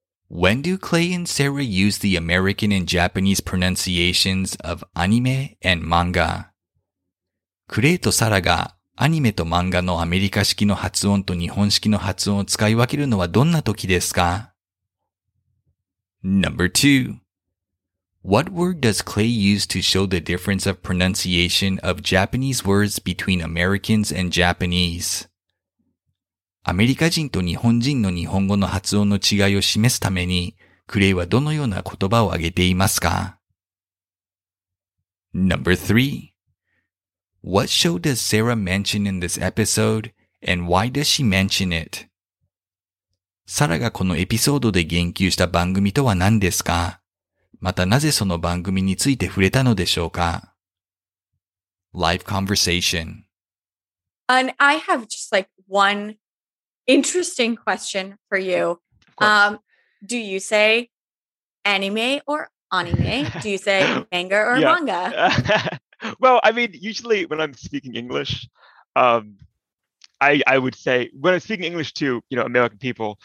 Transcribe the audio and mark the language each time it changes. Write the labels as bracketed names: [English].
[English] When do Clay and Sarah use the American and Japanese pronunciations of anime and manga? [Japanese] クレイとサラがアニメと漫画のアメリカ式の発音と日本式の発音を使い分けるのはどんな時ですか? [English] Number two. What word does Clay use to show the difference of pronunciation of Japanese words between Americans and Japanese? [Japanese] アメリカ人と日本人の日本語の発音の違いを示すために、クレイはどのような言葉を挙げていますか [English] ?Number 3. What show does Sarah mention in this episode and why does she mention it? [Japanese] サラがこのエピソードで言及した番組とは何ですか? またなぜその番組について触れたのでしょうか [English] ?Live conversation. And I have just like oneInteresting question for you. Do you say anime or anime? Do you say manga or manga? Well, I mean, usually when I'm speaking English, I would say, when I'm speaking English to, you know, American people.